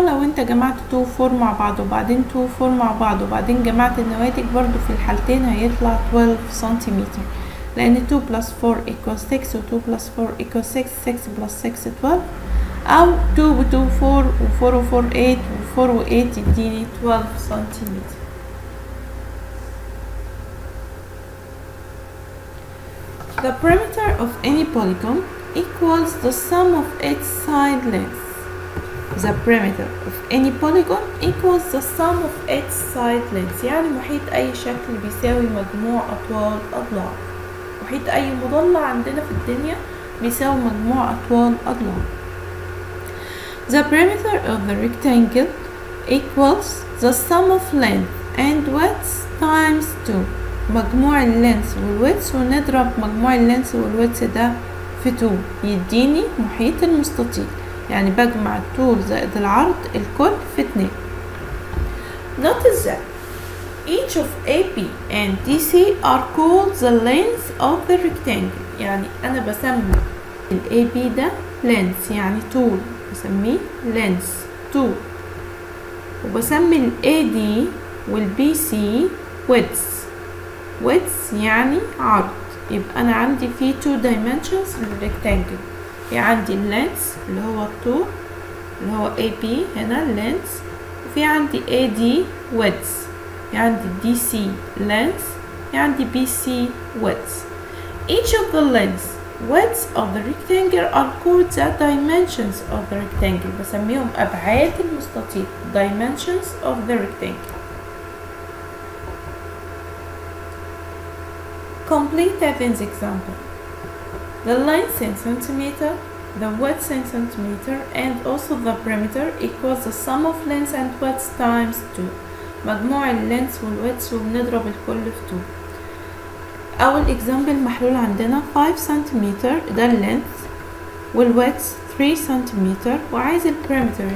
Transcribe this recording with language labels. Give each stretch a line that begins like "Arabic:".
Arabic: لو انت جمعت 2 4 مع بعض وبعدين 2 4 مع بعض وبعدين جمعت النواتج برضو في الحالتين هيطلع 12 سنتيمتر، لان
English: 2 plus 4 equals 6
Arabic: و 2 plus 4 equals 6 6 plus 6 12 أو 2 ب 2 4 و 4 و 4 8 و 4 و 8 يديني 12 سنتيمتر.
English: The perimeter of any polygon equals the sum of its side lengths. The perimeter of any polygon equals the sum of its side lengths.
Arabic: يعني محيط أي شكل بيساوي مجموع أطوال أضلاع. محيط أي مضلع عندنا في الدنيا بيساوي مجموع أطوال أضلاع.
English: The perimeter of the rectangle equals the sum of length and width times 2.
Arabic: مجموع اللينث والويتس، ونضرب مجموع اللينث والويتس ده في 2 يديني محيط المستطيل. يعني بجمع الطول زائد العرض الكل في 2.
English: Notice that each of AP and DC are called the length of the rectangle.
Arabic: يعني أنا بسمي الـ AP ده length يعني طول، بسميه length 2، وبسمي الـ AD والـ BC width. width يعني عرض. يبقى أنا عندي في 2 dimensions للـ rectangle، في عندي length اللي هو الطول اللي هو AP هنا length، وفي عندي AD width، في عندي DC length، في عندي BC width.
English: Each of the lengths widths of the rectangle are called the dimensions of the rectangle.
Arabic: بسميهم أبعاد المستطيل
English: dimensions of the rectangle. Complete Evan's example. The length in centimeter, the width in centimeter, and also the perimeter equals the sum of length and width times 2.
Arabic: مجموع اللينث والويتس وبنضرب الكل في 2. أول example محلول عندنا 5 سنتيمتر ده اللينث، والويتس 3 سنتيمتر، وعايز البريمتر.